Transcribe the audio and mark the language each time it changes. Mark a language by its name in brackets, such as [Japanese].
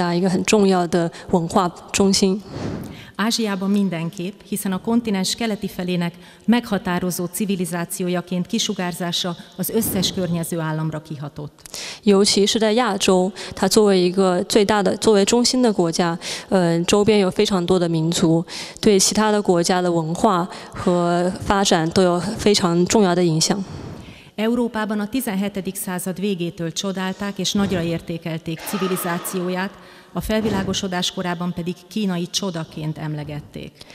[Chinese] 中国，或者说他们自己认为叫中国，这样的，一直都是一个很重要的国家，一个很重要的文化中心。 [Hungarian] Ázsiában mindenképp, hiszen a kontinens keleti felének meghatározó civilizációjaként kisugárzása az összes környező államra kihatott. [Chinese] 尤其是在亚洲，它作为一个最大的、作为中心的国家，周边有非常多的民族，对其他的国家的文化和发展都有非常重要的影响。 [Hungarian] Európában a 17. század végétől csodálták és nagyra értékelték civilizációját, a felvilágosodás korában pedig kínai csodaként emlegették.